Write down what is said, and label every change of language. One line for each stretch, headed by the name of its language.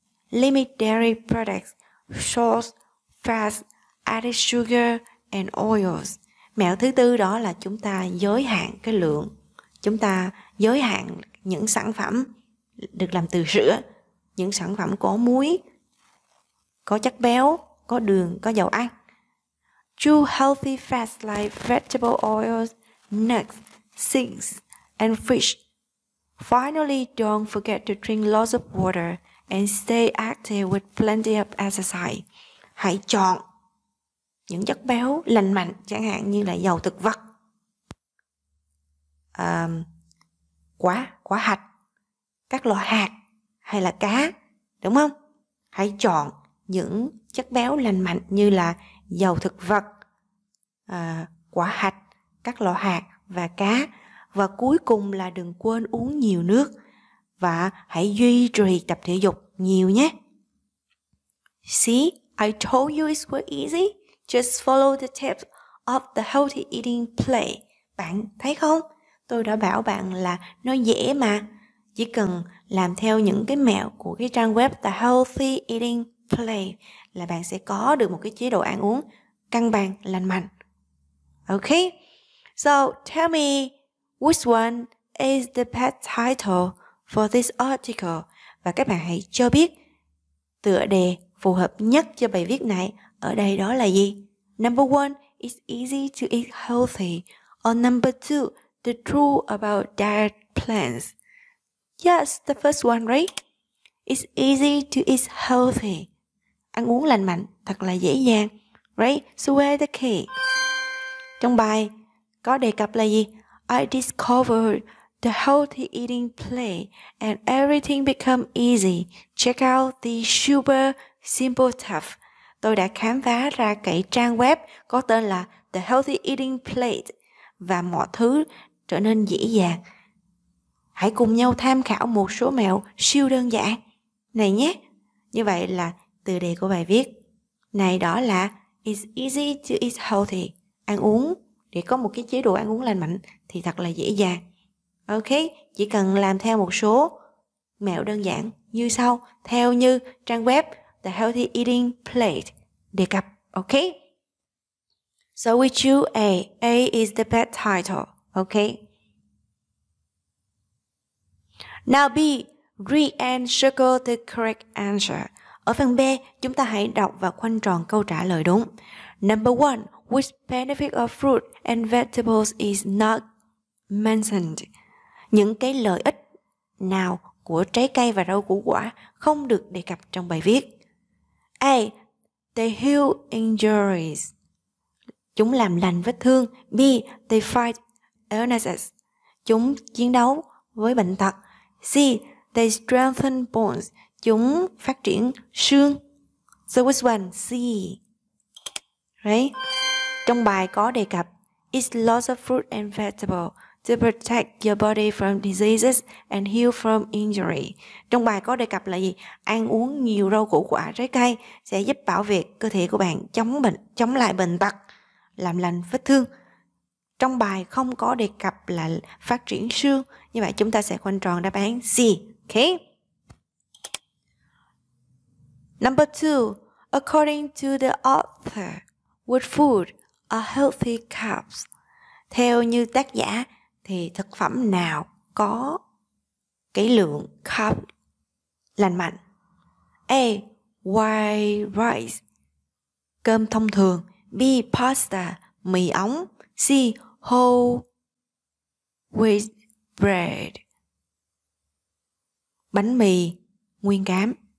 English: Limit dairy products, salt, fat, added sugar and oils.
Vietnamese: Mẹo thứ tư đó là chúng ta giới hạn cái lượng, chúng ta giới hạn những sản phẩm được làm từ sữa, những sản phẩm có muối, có chất béo, có đường, có dầu ăn.
English: Choose healthy fats like vegetable oils, nuts, seeds and fish. Finally, don't forget to drink lots of water and stay active with plenty of exercise.
Vietnamese: Hãy chọn những chất béo lành mạnh, chẳng hạn như là dầu thực vật, quả hạch, các loại hạt hay là cá, đúng không? Hãy chọn những chất béo lành mạnh như là dầu thực vật, quả hạch, các loại hạt và cá. Và cuối cùng là đừng quên uống nhiều nước và hãy duy trì tập thể dục nhiều nhé.
English: See, I told you it's quite easy. Just follow the tips of the healthy eating play.
Vietnamese: Bạn thấy không? Tôi đã bảo bạn là nó dễ mà. Chỉ cần làm theo những cái mẹo của cái trang web The Healthy Eating Play là bạn sẽ có được một cái chế độ ăn uống cân bằng, lành mạnh.
English: Okay? So, tell me, which one is the best title for this article?
Vietnamese: Và các bạn hãy cho biết tựa đề phù hợp nhất cho bài viết này ở đây đó là gì?
English: Number one, it's easy to eat healthy. Or number two, the truth about diet plans. Yes, the first one, right? It's easy to eat healthy.
Vietnamese: Ăn uống lành mạnh thật là dễ dàng,
English: right? So where the key?
Vietnamese: Trong bài có đề cập là gì?
English: I discovered The healthy eating play and everything become easy. Check out the super simple stuff.
Vietnamese: Tôi đã khám phá ra cái trang web có tên là The Healthy Eating Plate và mọi thứ trở nên dễ dàng. Hãy cùng nhau tham khảo một số mẹo siêu đơn giản này nhé. Như vậy là từ đề của bài viết này, đó là
English: It's easy to eat healthy.
Vietnamese: Ăn uống để có một cái chế độ ăn uống lành mạnh thì thật là dễ dàng. Ok, chỉ cần làm theo một số mẹo đơn giản như sau, theo như trang web The Healthy Eating Plate đề cập.
English: Ok, so we choose A. A is the best title. Ok, now B, read and circle the correct answer.
Vietnamese: Ở phần B, chúng ta hãy đọc và khoanh tròn câu trả lời đúng.
English: Number 1, which benefit of fruit and vegetables is not mentioned?
Vietnamese: Những cái lợi ích nào của trái cây và rau củ quả không được đề cập trong bài viết?
English: A, they heal injuries.
Vietnamese: Chúng làm lành vết thương.
English: B, they fight illnesses.
Vietnamese: Chúng chiến đấu với bệnh tật.
English: C, they strengthen bones.
Vietnamese: Chúng phát triển xương.
English: So which one? C. Right?
Vietnamese: Trong bài có đề cập
English: eat lots of fruit and vegetable to protect your body from diseases and heal from injury.
Vietnamese: Trong bài có đề cập là gì? Ăn uống nhiều rau củ quả trái cây sẽ giúp bảo vệ cơ thể của bạn chống bệnh, chống lại bệnh tật, làm lành vết thương. Trong bài không có đề cập là phát triển xương. Như vậy chúng ta sẽ khoanh tròn đáp án C.
English: Ok. Number 2, according to the author, what food are healthy carbs?
Vietnamese: Theo như tác giả thì thực phẩm nào có cái lượng carb lành mạnh?
English: A, white rice,
Vietnamese: cơm thông thường.
English: B, pasta,
Vietnamese: mì ống.
English: C, whole wheat bread,
Vietnamese: bánh mì nguyên cám.